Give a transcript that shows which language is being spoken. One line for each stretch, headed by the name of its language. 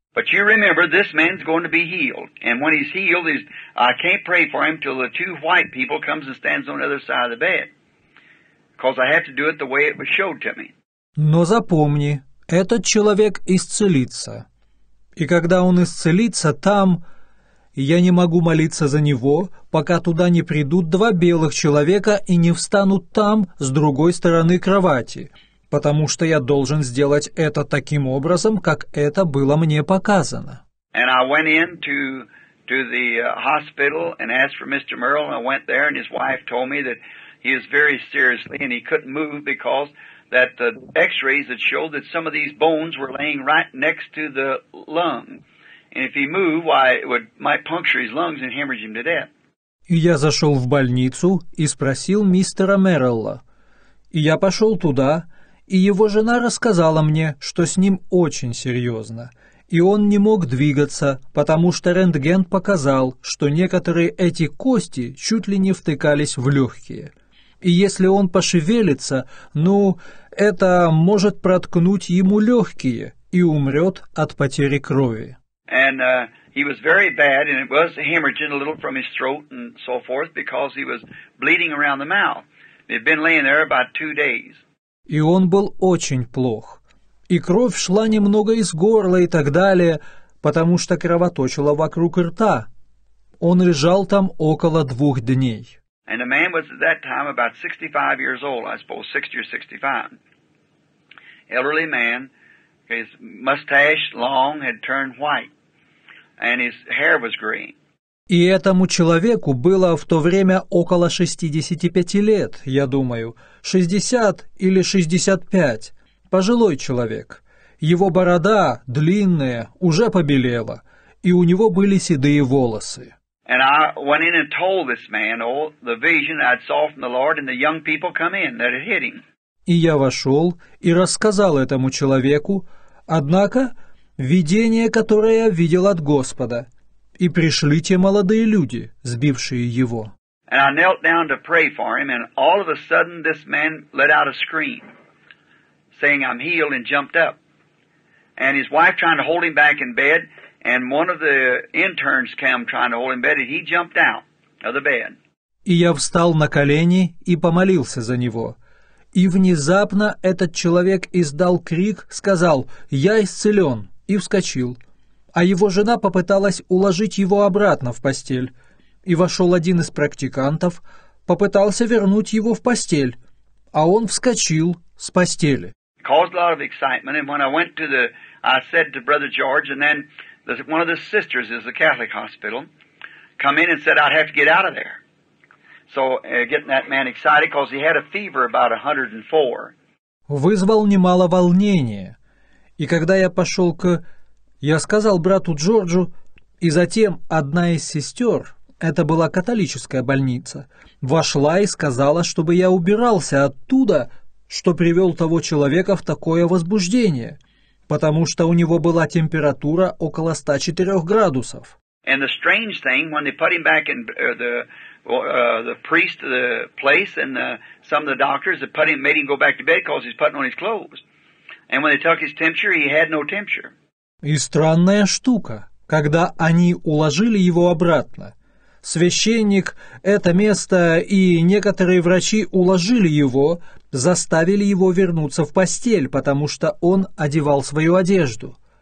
English: But you remember, this man's going to be healed, and when he's healed, he's, I can't pray for him till the two white people comes and stands on the other side of the bed, because I have to do it the way it was showed to me.
Russian: Но запомни, этот человек исцелится, и когда он исцелится, там я не могу молиться за него, пока туда не придут два белых человека и не встанут там, с другой стороны кровати, потому что я должен сделать это таким образом, как это было мне показано.
English: And I went in to the hospital and asked for Mr. Merle, and I went there, and his wife told me that he is very seriously, and he couldn't move because that the x-rays had showed that some of these bones were laying right next to the lung. And if he moved, why, it would might puncture his lungs and hemorrhage him to death.
Russian: И я зашел в больницу и спросил мистера Меррелла. И я пошел туда, и его жена рассказала мне, что с ним очень серьезно. И он не мог двигаться, потому что рентген показал, что некоторые эти кости чуть ли не втыкались в легкие. И если он пошевелится, ну, это может проткнуть ему легкие и умрет от потери крови.
English: And he was very bad, and it was hemorrhaging a little from his throat and so forth, because he was bleeding around the mouth. He'd been laying there about 2 days.
Russian: И он был очень плох. И кровь шла немного из горла и так далее, потому что кровоточила вокруг рта. Он лежал там около 2 дней.
English: And the man was at that time about 65 years old, I suppose, 60 or 65. Elderly man. His mustache long had turned white, and his hair was green.
Russian: И этому человеку было в то время около 65 лет, я думаю, 60 или 65, пожилой человек. Его борода, длинная, уже побелела, и у него были седые волосы.
English: And I went in and told this man all the vision I'd saw from the Lord, and the young people come in that had hit him.
Russian: И я вошел и рассказал этому человеку, однако, видение, которое я видел от Господа, и пришли те молодые люди, сбившие его.
English: And I knelt down to pray for him, and all of a sudden this man let out a scream, saying, I'm healed, and jumped up. And his wife trying to hold him back in bed, and one of the interns came trying to hold him back, and he jumped out of the bed.
Russian: И я встал на колени и помолился за него. И внезапно этот человек издал крик, сказал, «Я исцелен», и вскочил. А его жена попыталась уложить его обратно в постель. И вошел один из практикантов, попытался вернуть его в постель, а он вскочил с постели.
English: Caused a lot of excitement, and when I went to the, I said to Brother George, and then one of the sisters is the Catholic hospital, come in and said I'd have to get out of there. So getting that man excited, because he had a fever about 104.
Russian: Вызвал немало волнения, и когда я пошел к, я сказал брату Джорджу, и затем одна из сестер, это была католическая больница, вошла и сказала, чтобы я убирался оттуда, что привел того человека в такое возбуждение, потому что у него была температура около 104 градусов.
English: And the strange thing, when they put him back in the priest of the place and some of the doctors that put him, made him go back to bed because he's putting on his clothes. And when they took his temperature, he had no temperature.
Russian: И странная штука, когда они уложили его обратно. Священник, это место и некоторые врачи уложили его, заставили его вернуться в постель, потому что он одевал свою одежду.